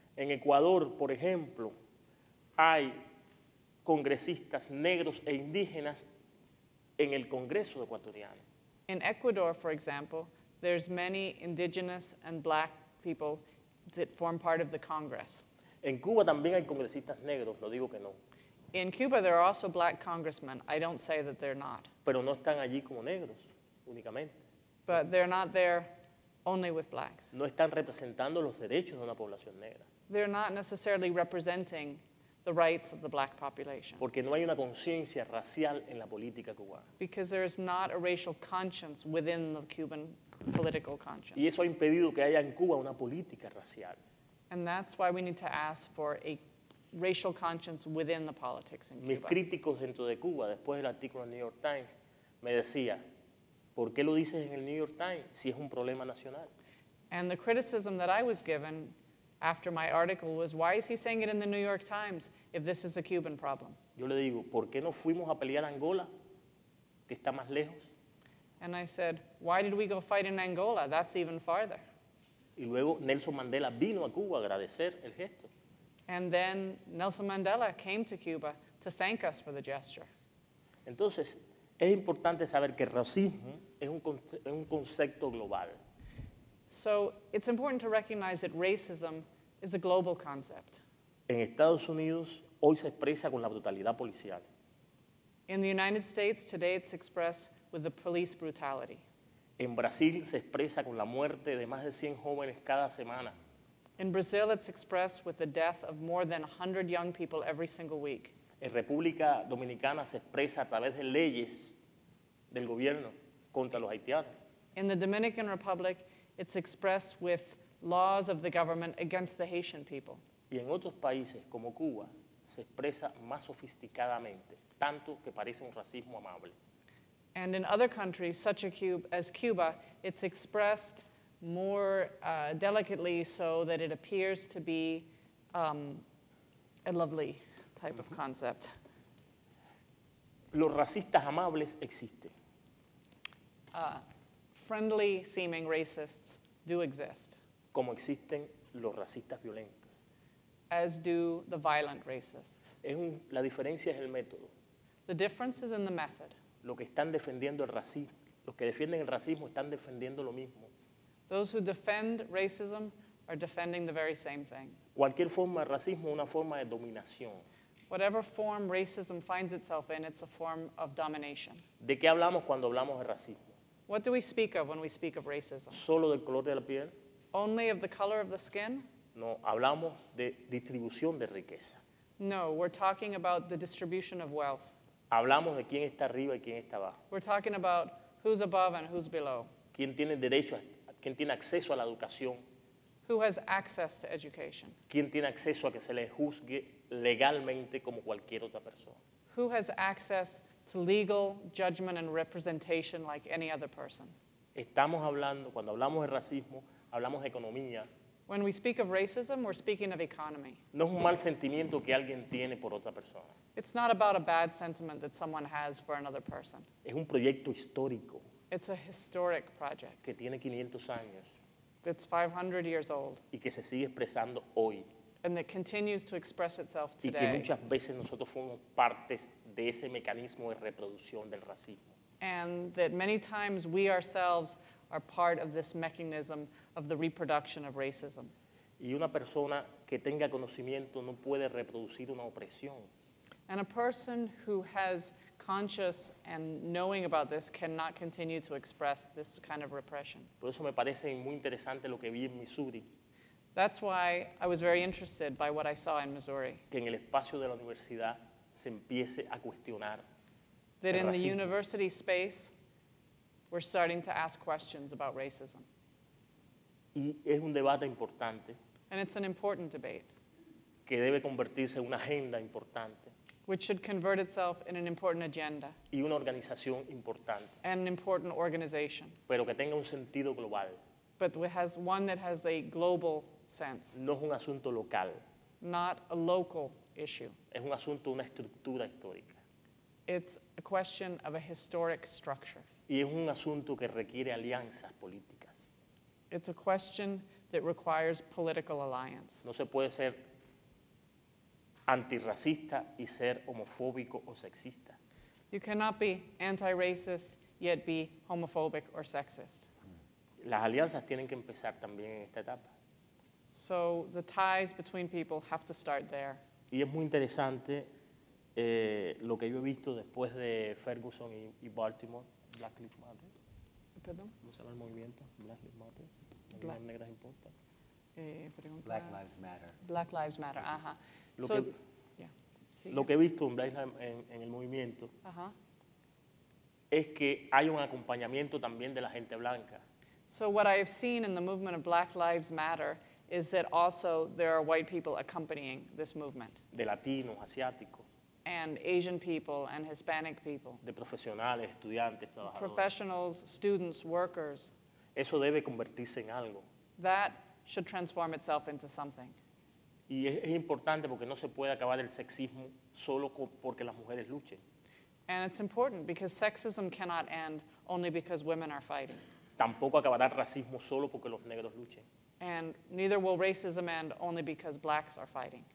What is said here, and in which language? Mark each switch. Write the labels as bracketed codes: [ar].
[es] En Ecuador, por ejemplo, hay congresistas negros e indígenas en el Congreso ecuatoriano. [en] In Ecuador, for example, there's many indigenous and black people that form part of the Congress. [es] En Cuba también hay congresistas negros, no digo que no. [en] In Cuba there are also black congressmen. I don't say that they're not. [es] Pero no están allí como negros, únicamente. [en] But they're not there only with blacks. [es] No están representando los derechos de una población negra. [en] They're not necessarily representing the rights of the black population. [es] Porque no hay una conciencia racial en la política cubana. [en] Because there is not a racial conscience within the Cuban political conscience. [es] Y eso ha impedido que haya en Cuba una política racial. [en] And that's why we need to ask for a racial conscience within the politics in Cuba. [es] Mis críticos dentro de Cuba, después del artículo en New York Times, me decía, ¿por qué lo dices en el New York Times si es un problema nacional? [en] And the criticism that I was given after my article was, why is he saying it in the New York Times if this is a Cuban problem? [es] Yo le digo, ¿por qué no fuimos a pelear a Angola, que está más lejos? [en] And I said, why did we go fight in Angola? That's even farther. [es] Y luego Nelson Mandela vino a Cuba a agradecer el gesto. [en] And then Nelson Mandela came to Cuba to thank us for the gesture. [es] Entonces, es importante saber que racismo es un concepto global. [en] So, it's important to recognize that racism is a global concept. [es] En Estados Unidos, hoy se expresa con la brutalidad policial. [en] In the United States, today it's expressed with the police brutality. [es] En Brasil se expresa con la muerte de más de 100 jóvenes cada semana. [en] In Brazil, it's expressed with the death of more than 100 young people every single week. [es] En República Dominicana se expresa a través de leyes del gobierno contra los haitianos. [en] In the Dominican Republic, it's expressed with laws of the government against the Haitian people. [es] Y en otros países, como Cuba, se expresa más sofisticadamente, tanto que parece un racismo amable. [en] And in other countries, such as Cuba, it's expressed more delicately so that it appears to be a lovely type of concept. [es] Los racistas amables existen. [en] Friendly-seeming racists do exist. [es] Como existen los racistas violentos. [en] As do the violent racists. [es] La diferencia es el método. [en] The difference is in the method. [es] Lo que están defendiendo el racismo, los que defienden el racismo están defendiendo lo mismo. [en] Those who defend racism are defending the very same thing. [es] Cualquier forma de racismo es una forma de dominación. [en] Whatever form racism finds itself in, it's a form of domination. [es] ¿De qué hablamos cuando hablamos de racismo? [en] What do we speak of when we speak of racism? [es] ¿Solo del color de la piel? [en] Only of the color of the skin? [es] No, hablamos de distribución de riqueza. [en] No, we're talking about the distribution of wealth. [es] Hablamos de quién está arriba y quién está abajo. [en] We're talking about who's above and who's below. [es] ¿Quién tiene derecho, quién tiene acceso a la educación? [en] Who has access to education? [es] ¿Quién tiene acceso a que se le juzgue legalmente como cualquier otra persona? [en] Who has access to legal judgment and representation like any other person? [es] Estamos hablando, cuando hablamos de racismo, hablamos de economía. [en] When we speak of racism, we're speaking of economy. [es] No es un mal sentimiento que alguien tiene por otra persona. [en] It's not about a bad sentiment that someone has for another person. [es] Es un proyecto histórico. [en] It's a historic project. [es] Que tiene 500 años. [en] That's 500 years old. [es] Y que se sigue expresando hoy. [en] And that continues to express itself today. [es] Y que muchas veces nosotros fuimos parte de ese mecanismo de reproducción del racismo. [en] And that many times we ourselves are part of this mechanism of the reproduction of racism. [es] Y una persona que tenga conocimiento no puede reproducir una opresión. [en] And a person who has conscious and knowing about this cannot continue to express this kind of repression. [es] Por eso me parece muy interesante lo que vi en Missouri. [en] That's why I was very interested by what I saw in Missouri. [es] Que en el espacio de la universidad se empiece a cuestionar. [en] That in the university space, we're starting to ask questions about racism. [es] Y es un debate importante. [en] And it's an important debate. [es] Que debe convertirse en una agenda importante. [en] Which should convert itself in an important agenda. [es] Y una organización importante. [en] And an important organization. [es] Pero que tenga un sentido global. [en] But it has one that has a global sense. [es] No es un asunto local. [en] Not a local issue. [es] Es un asunto, una estructura histórica. [en] It's a question of a historic structure. [es] Y es un asunto que requiere alianzas políticas. [en] It's a question that requires political alliance. [es] No se puede ser antirracista y ser homofóbico o sexista. [en] You cannot be anti-racist yet be homophobic or sexist. [es] Las alianzas tienen que empezar también en esta etapa. [en] So the ties between people have to start there. [es] Y es muy interesante lo que yo he visto después de Ferguson y Baltimore. [en] Black Lives Matter. [es] Perdón. ¿Cómo se llama el movimiento? Black Lives Matter. [en] Black. [es] ¿Las negras importan? Pregunta. [en] Black Lives Matter. Black Lives Matter, ajá. Lo, so, que, yeah. [es] Lo que he visto en Black Lives Matter, en el movimiento, uh-huh, es que hay un acompañamiento también de la gente blanca. [en] So what I have seen in the movement of Black Lives Matter is that also there are white people accompanying this movement. [es] De latinos, asiáticos. [en] And Asian people and Hispanic people. [es] De profesionales, estudiantes, trabajadores. [en] Professionals, students, workers. [es] Eso debe convertirse en algo. [en] That should transform itself into something. [es] Y es importante porque no se puede acabar el sexismo solo porque las mujeres luchen. [en] And it's important because sexism cannot end only because women are fighting. [es] Tampoco acabará el racismo solo porque los negros luchen. [en] And neither will racism end only because blacks are fighting.